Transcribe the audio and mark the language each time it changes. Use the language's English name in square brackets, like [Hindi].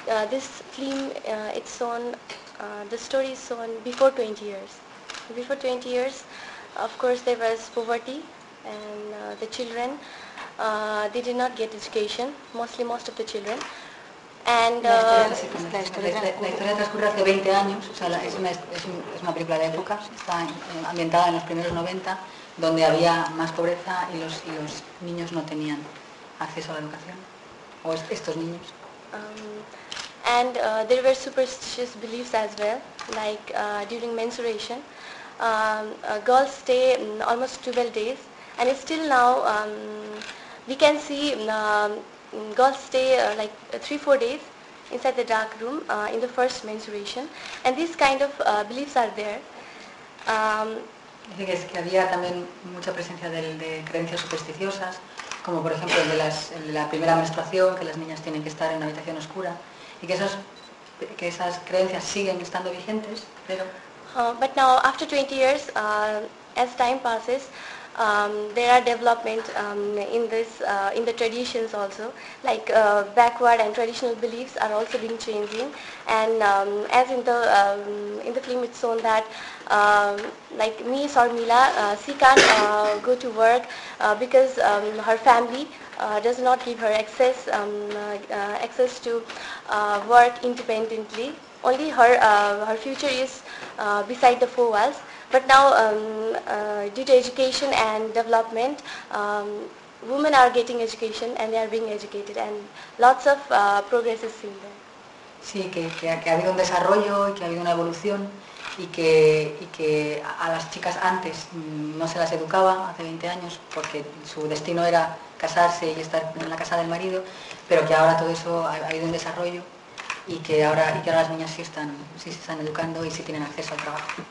[English] This film, it's on, the story is on before 20 years. Before 20 years, of course, there was poverty, and the children, they did not get education, most of the children. And [Spanish] la historia transcurre hace 20 años, o sea, es una película de época, está ambientada en los primeros 90, donde había más pobreza y los niños no tenían acceso a la educación. Estos niños. [English] And there were superstitious beliefs as well, like during menstruation, girls stay almost 12 days, and it's still now we can see girls stay like 3-4 days inside the dark room in the first menstruation, and these kind of beliefs are there. [Spanish] Dice que había también mucha presencia de creencias supersticiosas, como por ejemplo el de la primera menstruación, que las niñas tienen que estar en una habitación oscura, y que esas creencias siguen estando vigentes, pero... [English] But now, after 20 years, as time passes, there are development in the traditions also, like backward and traditional beliefs are also being changing, and as in the film it's shown that like me, Sarmila, she can't go to work because her family does not give her access access to work independently. Only her future is beside the four walls. But now, due to education and development, women are getting education and they are being educated, and lots of progress is seen there. [Spanish] Sí, que ha habido un desarrollo y que ha habido una evolución, y que a las chicas antes no se las educaba, hace 20 años, porque su destino era casarse y estar en la casa del marido, pero que ahora todo eso ha ido en desarrollo y que ahora las niñas sí se están educando y sí tienen acceso al trabajo.